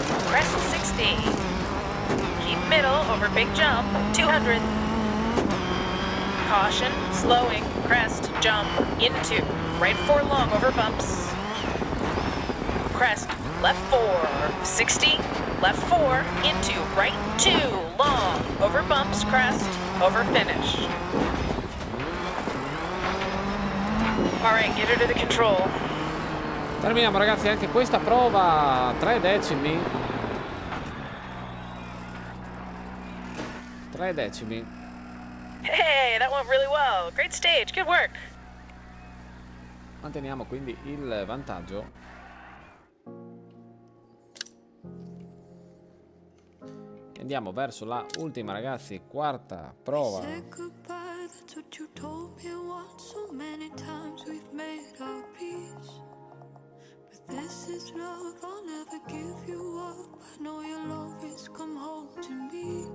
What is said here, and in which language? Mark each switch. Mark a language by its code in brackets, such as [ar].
[en] crest 60, keep middle over big jump, 200, caution, slowing, crest, jump, into, right 4 long over bumps, crest, left 4, 60, left 4, into, right 2 long, over bumps, crest, over finish. Alright, get her to the control. [it] Terminiamo ragazzi anche questa prova, 3 decimi. [en] Hey, that went really well. Great stage. Good work. [it] Manteniamo quindi il vantaggio. Andiamo verso la ultima, ragazzi, quarta prova. [en] Say goodbye, that's what you told me once. So many times we've made our peace. But this is love, I'll never give you up. I know you'll always come home to me.